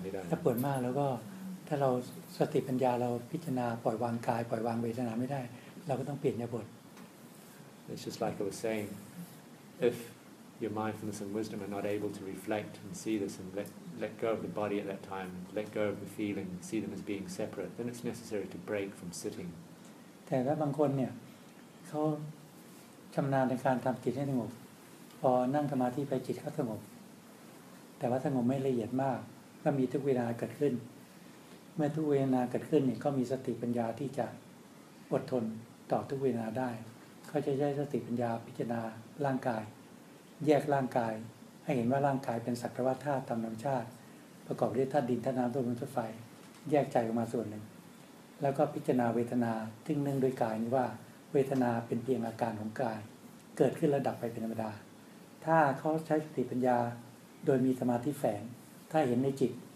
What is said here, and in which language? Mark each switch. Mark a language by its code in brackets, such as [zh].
[th] ถ้าปวดมากแล้วก็ถ้าเราสติปัญญาเราพิจารณาปล่อยวางกายปล่อยวางเวทนาไม่ได้เราก็ต้องเปลี่ยนยาบท [en] It's just like I was saying if your mindfulness and wisdom are not able to reflect and see this and let go of the body at that time let go of the feeling see them as being separate then it's necessary to break from sitting [th] แต่ถ้าบางคนเนี่ยเขาชำนาญในการทำจิตให้สงบพอนั่งสมาธิไปจิตเขาสงบแต่ว่าสงบไม่ละเอียดมากก็มีทุกเวทนาเกิดขึ้นเมื่อทุกเวทนาเกิดขึ้นเนี่ยก็มีสติปัญญาที่จะ อดทนต่อทุกเวทนาได้เขาจะใช้สติปัญญาพิจารณาร่างกายแยกร่างกายให้เห็นว่าร่างกายเป็นสักแต่ว่าธาตุตามธรรมชาติประกอบด้วยธาตุดินธาตุน้ำธาตุลมธาตุไฟแยกใจออกมาส่วนหนึ่งแล้วก็พิจารณาเวทนาซึ่งเนื่องด้วยกายนี้ว่าเวทนาเป็นเพียงอาการของกายเกิดขึ้นแล้วดับไปเป็นธรรมดาถ้าเขาใช้สติปัญญาโดยมีสมาธิแฝงถ้าเห็นในจิต